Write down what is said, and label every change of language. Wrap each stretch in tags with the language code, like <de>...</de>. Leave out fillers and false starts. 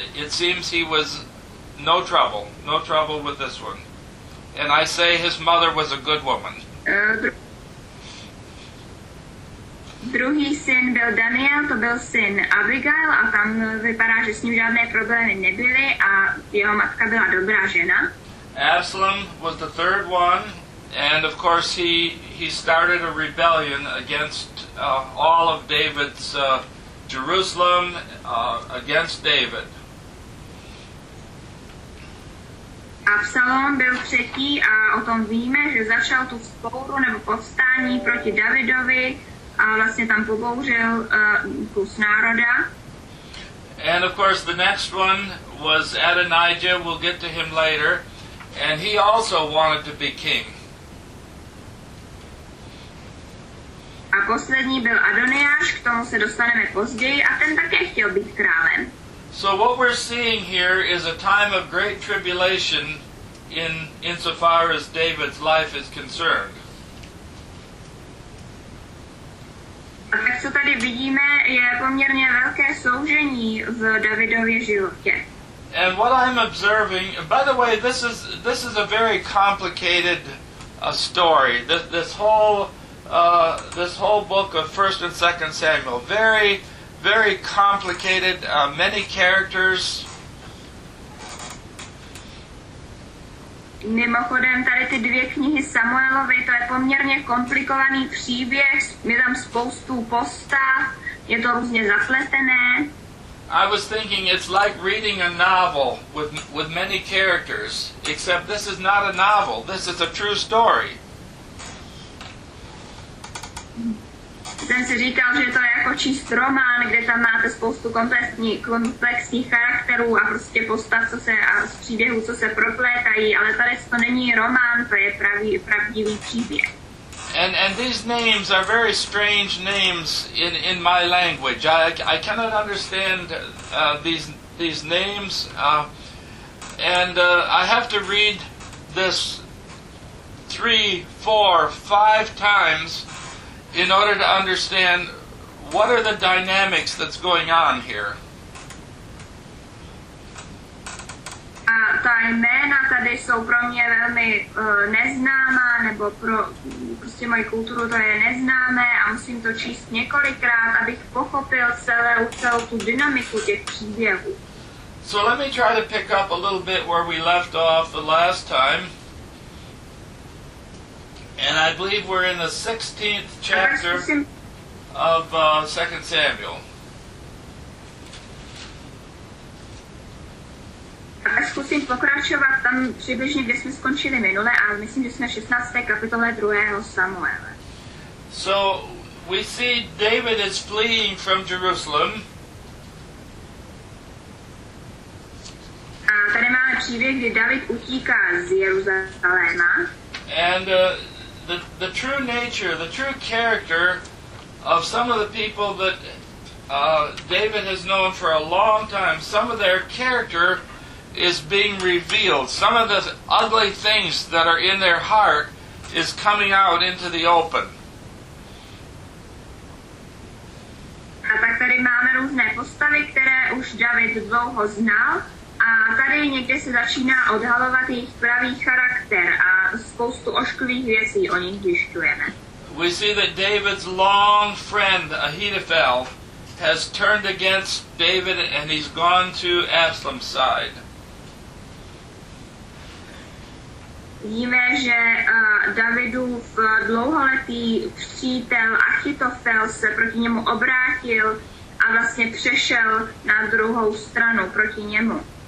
<en>It seems he was no trouble with this one. And I say his mother was a good woman.</en> <cs>Druhý syn byl Daniel, to byl syn Abigail a tam vypadá, že s ním žádné problémy nebyly a jeho matka byla dobrá žena.</cs> <en>Absalom was the third one and of course he started a rebellion against all of David's Jerusalem, against David.</en> <cs>Absalom byl třetí a o tom víme, že začal tu spouru nebo povstání proti Davidovi. A vlastně tam pobouřil kus národa.</cs> <en>And of course the next one was Adonijah, we'll get to him later, and he also wanted to be king.</en> <cs>A poslední byl Adoniáš, k tomu se dostaneme později, a ten také chtěl být králem.</cs> <en>So what we're seeing here is a time of great tribulation insofar as David's life is concerned.</en> <cs>A tak, co tady vidíme, je poměrně velké soužení v Davidově životě.</cs> <en>And what I'm observing, by the way, this is a very complicated story. This whole book of 1st and 2nd Samuel, very, very complicated, many characters.</en> <cs>Mimochodem, tady ty dvě knihy Samuelovy, to je poměrně komplikovaný příběh, je tam spoustu postav, je to různě zapletené.</cs> <en>I was thinking it's like reading a novel with many characters, except this is not a novel, this is a true story.</en> <cs>jsem si říkal, že to je jako číst román, kde tam máte spoustu komplexních charakterů a prostě postav, co se a z příběhů, co se proplétají, ale tady to není román, to je pravdivý příběh.</cs> <en>And these names are very strange names in my language. I cannot understand these names. I have to read this 3, 4, 5 times in order to understand what are the dynamics that's going on here.</en> <cs>Ta jména tady jsou pro mě velmi neznámá, nebo pro prostě moji kulturu to je neznámé a musím to číst několikrát, abych pochopil celou tu dynamiku těch příběhů.</cs> <en>So let me try to pick up a little bit where we left off the last time. And I believe we're in the 16th chapter of 2 Samuel.</en> <cs>A zkusím pokračovat tam přibližně, kde jsme skončili minule, a myslím, že jsme 16. kapitole 2. Samuele.</cs> <en>So, we see David is fleeing from Jerusalem.</en> <cs>A tady máme příběh, kdy David utíká z Jeruzaléma.</cs> <en>And the true nature, the true character of some of the people that David has known for a long time, some of their character is being revealed. Some of the ugly things that are in their heart is coming out into the open.</en> <cs>A tak tady máme různé postavy, které už David dlouho znal, a tady někde se začíná odhalovat jejich pravý charakter a spoustu ošklivých věcí o nich zjišťujeme.</cs> <en>We see that David's long friend Ahithophel has turned against David and he's gone to Absalom's side.</en> <cs>Víme, že Davidův dlouholetý přítel Achitofel se proti němu obrátil a vlastně přešel na druhou stranu proti němu.</cs>